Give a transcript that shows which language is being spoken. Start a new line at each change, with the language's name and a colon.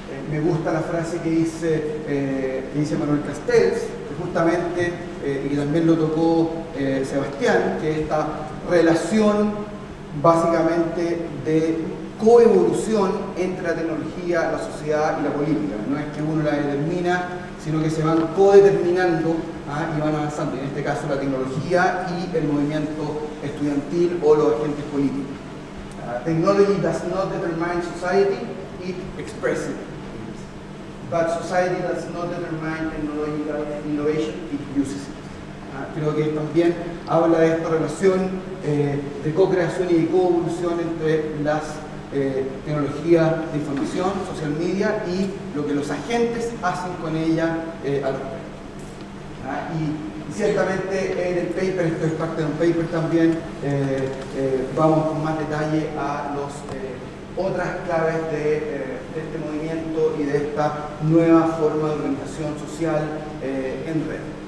Spanish: Me gusta la frase que dice Manuel Castells, que justamente, y que también lo tocó Sebastián, que esta relación básicamente de coevolución entre la tecnología, la sociedad y la política. No es que uno la determina, sino que se van codeterminando, y van avanzando, en este caso la tecnología y el movimiento estudiantil o los agentes políticos.
English: Technology does not determine society, it expresses it. But society does not determine technological innovation, it uses it.
Spanish: Creo que también habla de esta relación de co-creación y de co-evolución entre las tecnologías de información, social media, y lo que los agentes hacen con ella al respecto. Y ciertamente en el paper, esto es parte de un paper también, vamos con más detalle a las otras claves de este movimiento y de esta nueva forma de organización social en red.